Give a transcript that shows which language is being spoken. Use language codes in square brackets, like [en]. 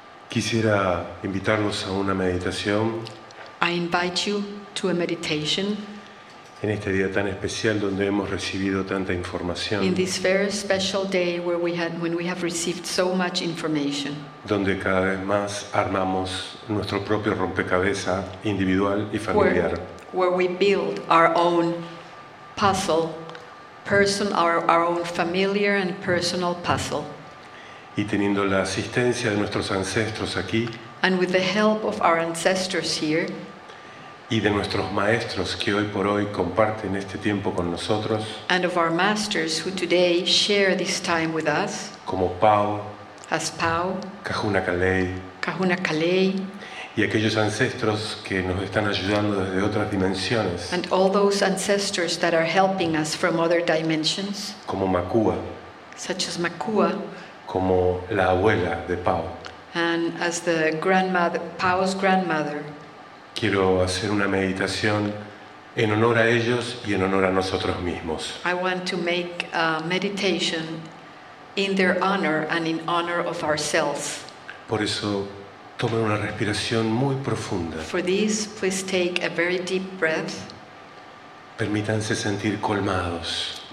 [es] Quisiera invitarlos a una meditación. [en] I invite you to a meditation. [es] En este día tan especial donde hemos recibido tanta información. [en] In this very special day where we have received so much information. [es] Donde cada vez más armamos nuestro propio rompecabezas individual y familiar. [en] Where we build our own puzzle, our own familiar and personal puzzle. [es] Y teniendo la asistencia de nuestros ancestros aquí, [en] and with the help of our ancestors here, [es] y de nuestros maestros que hoy por hoy comparten este tiempo con nosotros, [en] and of our masters who today share this time with us, [es] como Pau, [en] as Pau, [es] Kahuna Kalei, y aquellos ancestros que nos están ayudando desde otras dimensiones, [en] and all those ancestors that are helping us from other dimensions, [es] como Makua, [en] such as Makua, [es] como la abuela de Pau. [en] And as the grandmother, Pau's grandmother. [es] Quiero hacer una meditación en honor a ellos y en honor a nosotros mismos. [en] I want to make a meditation in their honor and in honor of ourselves. [es] Por eso, tomen una respiración muy profunda. [en] For this, please take a very deep breath. [es] Permítanse sentir colmados.